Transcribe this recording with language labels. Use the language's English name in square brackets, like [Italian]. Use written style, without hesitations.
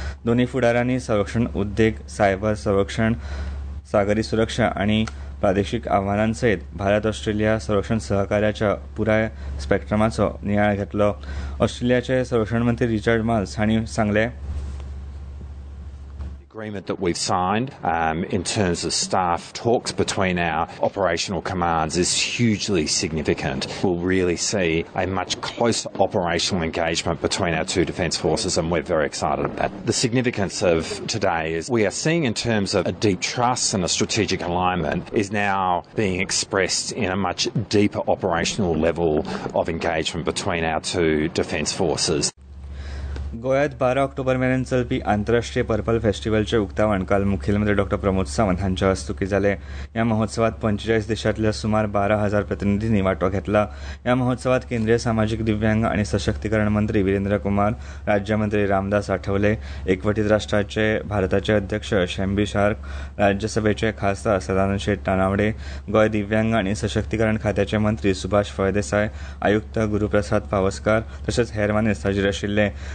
[Goan Konkani] दोन्ही फुडाऱ्यांनी संरक्षण उद्योग, सायबर संरक्षण, सागरी सुरक्षा आणि प्रादेशिक आव्हानांसहित भारत ऑस्ट्रेलिया संरक्षण सहकार्याच्या पुराय स्पेक्ट्रमाचो नियाळ घेतलो. ऑस्ट्रेलियाचे संरक्षण मंत्री रिचर्ड माल्स हांणी सांगले. [English] Agreement that we've signed in terms of staff talks between our operational commands is hugely significant. We'll really see a much closer operational engagement between our two defence forces, and we're very excited about that. The significance of today is we are seeing in terms of a deep trust and a strategic alignment is now being expressed in a much deeper operational level of engagement between our two defence forces. [Goan Konkani] गोयात 12 October मेरेन चलपी आंतरराष्ट्रीय purple फेस्टिवलचे उक्तावण काल मुखेलमंत्री डॉ प्रमोद सावंत हांच्या हस्तुकी झाले. या महोत्सवात 45 देशातल्या सुमार 12,000 प्रतिनिधींनी वाटो घेतला. या महोत्सवात केंद्रीय सामाजिक दिव्यांग आणि सशक्तीकरण मंत्री वीरेंद्र कुमार, राज्यमंत्री रामदास आठवले, एकवटीत राष्ट्राचे भारताचे अध्यक्ष शॅम्बी शार्क, राज्यसभेचे खासदार सदानंद शेठ तानावडे, गोय दिव्यांग आणि सशक्तीकरण खात्याचे मंत्री सुभाष फळदेसाय, आयुक्त गुरुप्रसाद पावसकार तसेच हेर मानेस्त हजीर आशिल्ले.